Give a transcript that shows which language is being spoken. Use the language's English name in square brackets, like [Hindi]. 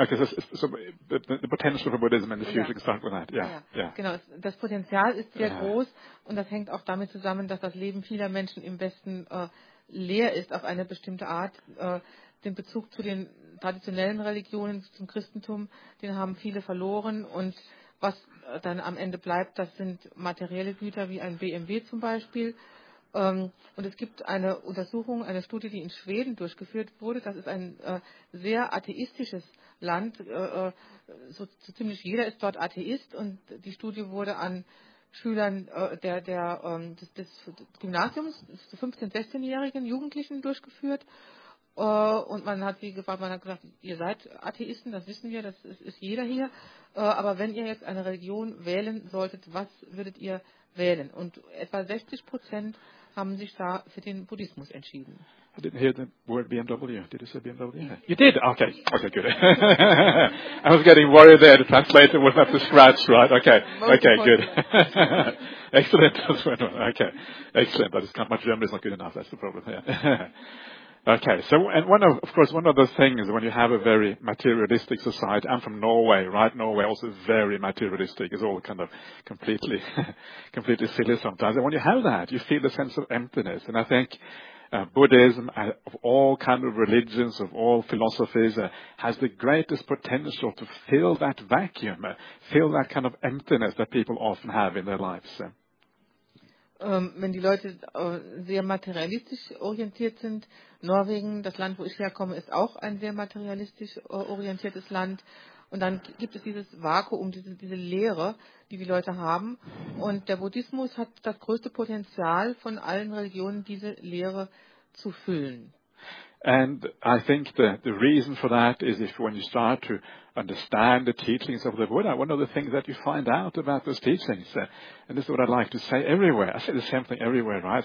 [English] Okay, so the potential for Buddhism in the future, can start with that. Yeah. [German] Genau, das Potenzial ist sehr groß und das hängt auch damit zusammen, dass das Leben vieler Menschen im Westen leer ist auf eine bestimmte Art. Den Bezug zu den traditionellen Religionen, zum Christentum, den haben viele verloren und was dann am Ende bleibt, das sind materielle Güter wie ein BMW zum Beispiel. Und es gibt eine Untersuchung, eine Studie, die in Schweden durchgeführt wurde. Das ist ein sehr atheistisches Land. So ziemlich jeder ist dort Atheist. Und die Studie wurde an Schülern des Gymnasiums, 15-, 16-jährigen Jugendlichen durchgeführt. Und man hat sie gefragt, man hat gesagt, ihr seid Atheisten, das wissen wir, das ist jeder hier. Aber wenn ihr jetzt eine Religion wählen solltet, was würdet ihr wählen? Und etwa 60% haben sich da für den Buddhismus entschieden. [English] I didn't hear the word BMW. Did you say BMW? You did? Okay. Okay, good. I was getting worried there. The translator was up to scratch, right? Okay. Okay, good. Excellent. Okay. Excellent. My German is not good enough. That's the problem. Yeah. Okay, so, and one of, one of the things when you have a very materialistic society, I'm from Norway, right? Norway also very materialistic, it's all kind of completely, completely silly sometimes. And when you have that, you feel a sense of emptiness. And I think Buddhism, of all kind of religions, of all philosophies, has the greatest potential to fill that vacuum, fill that kind of emptiness that people often have in their lives. [German] Wenn die Leute sehr materialistisch orientiert sind, Norwegen, das Land, wo ich herkomme, ist auch ein sehr materialistisch orientiertes Land. Und dann gibt es dieses Vakuum, diese Leere, die die Leute haben. Und der Buddhismus hat das größte Potenzial von allen Religionen, diese Leere zu füllen. [English] And I think the reason for that is if when you start to understand the teachings of the Buddha, one of the things that you find out about those teachings, and this is what I like to say everywhere, I say the same thing everywhere, right?